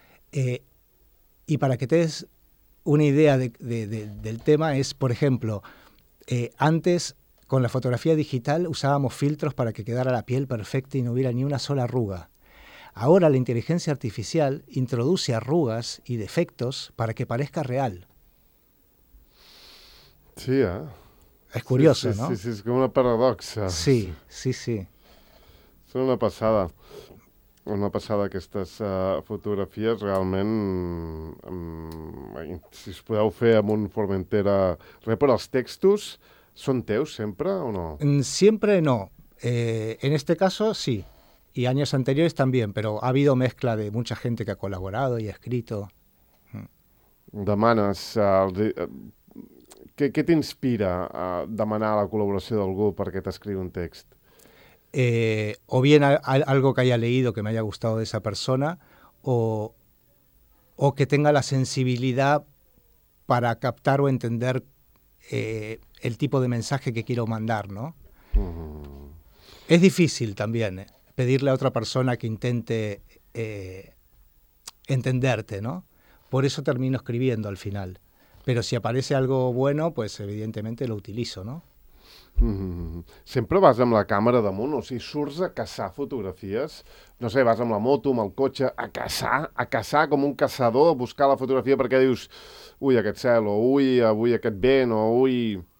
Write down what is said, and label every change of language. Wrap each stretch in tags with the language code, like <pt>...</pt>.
<es>Y para que te des una idea del tema es, por ejemplo, antes con la fotografía digital usábamos filtros para que quedara la piel perfecta y no hubiera ni una sola arruga. Ahora la inteligencia artificial introduce arrugas y defectos para que parezca real. Sí, ¿eh? Es curioso, sí, sí, Sí, sí, es como una paradoxa. Sí, sí, sí.</es> <ca>Són una passada. Una passada aquestes fotografies, realment, si us podeu fer amb un Formentera... Però els textos són teus sempre o no?</ca> <es>Siempre no. En este caso, sí. Y años anteriores también, pero ha habido mezcla de mucha gente que ha colaborado y ha escrito.</es> <ca>Demanes...</ca> <es>¿Qué te inspira a demanar la colaboración de algún para que te escriba un texto? O bien algo que haya leído que me haya gustado de esa persona, o que tenga la sensibilidad para captar o entender el tipo de mensaje que quiero mandar, ¿no? Uh-huh. Es difícil también pedirle a otra persona que intente entenderte, ¿no? Por eso termino escribiendo al final.</es> <ca>Però</ca> <es>si aparece algo bueno, pues evidentemente lo utilizo, ¿no? Mm-hmm.</es> <ca>Sempre vas amb la càmera damunt, o sigui, surts a caçar fotografies, no sé, vas amb la moto, amb el cotxe, a caçar com un caçador, a buscar la fotografia perquè dius, ui, aquest cel, o ui, avui aquest vent, o ui...</ca>